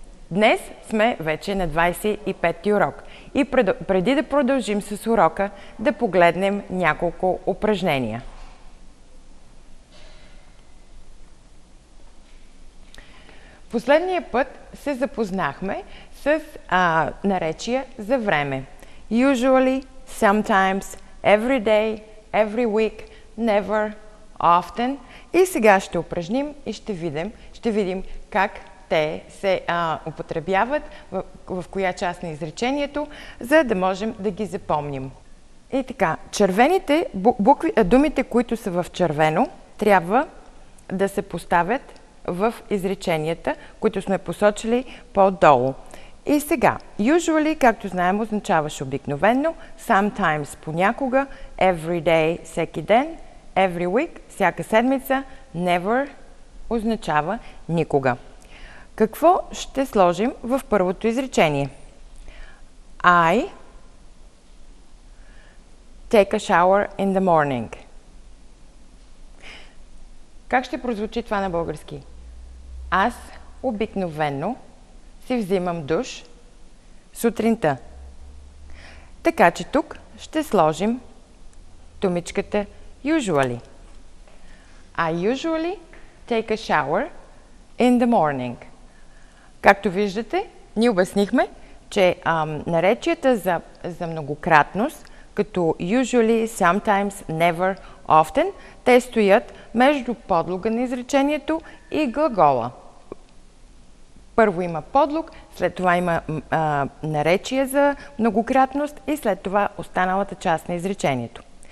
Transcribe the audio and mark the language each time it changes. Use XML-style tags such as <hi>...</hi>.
<bg>Днес сме вече на 25-ти урок. И преди да продължим с урока, да погледнем няколко упражнения. Последния път се запознахме с наречия за време.</bg> <en>Usually, sometimes, every day, every week, never, often.</en> <bg>И сега ще упражним и ще видим как те се употребяват, в коя част на изречението, за да можем да ги запомним. И така, червените букви, думите, които са в червено, трябва да се поставят в изреченията, които сме посочили по-долу. И сега, usually, както знаем, означаваш обикновено, sometimes, понякога,</bg> <en>every day,</en> <bg>всеки ден,</bg> <en>every week,</en> <bg>всяка седмица, never, означава никога. Какво ще сложим в първото изречение?</bg> <en>I take a shower in the morning.</en> <bg>Как ще прозвучи това на български? Аз обикновено си взимам душ сутринта. Така че тук ще сложим думичката usually.</bg> <en>I usually take a shower in the morning.</en> <bg>Както виждате, ние обяснихме, че наречията за многократност, като usually, sometimes, never, often, те стоят между подлога на изречението и глагола. Първо има подлог, след това има наречие за многократност и след това останалата част на изречението.</bg>